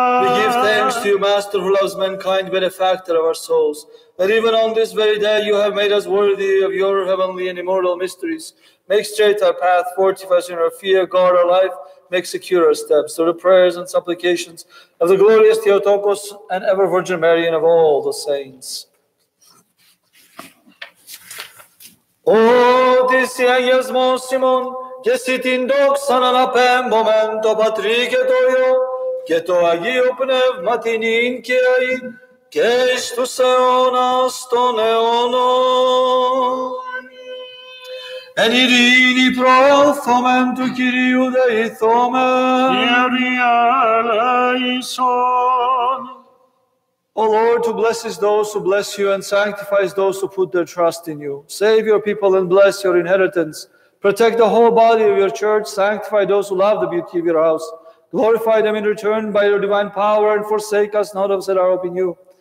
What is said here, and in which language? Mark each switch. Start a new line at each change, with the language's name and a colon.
English: We give thanks to you, Master, who loves mankind, benefactor of our souls, that even on this very day you have made us worthy of your heavenly and immortal mysteries. Make straight our path, fortify us in our fear, guard our life, make secure our steps, through the prayers and supplications of the glorious Theotokos and ever Virgin Mary and of all the saints.
Greek: O Tisi Agios Mosimon, και εσύ την δόξαν αναπέμπομεν το Πατρί και το Υιό και το Αγίο Πνεύμα την ίν και αΐν και εις τους αιώνας των αιώνων. Εν ειρήνη προώθωμεν του Κυρίου δεηθώμεν. Κύριε ελέησον.
English: O Lord, who blesses those who bless you and sanctifies those who put their trust in you, save your people and bless your inheritance. Protect the whole body of your church, sanctify those who love the beauty of your house. Glorify them in return by your divine power and forsake us not of us that are hope in you.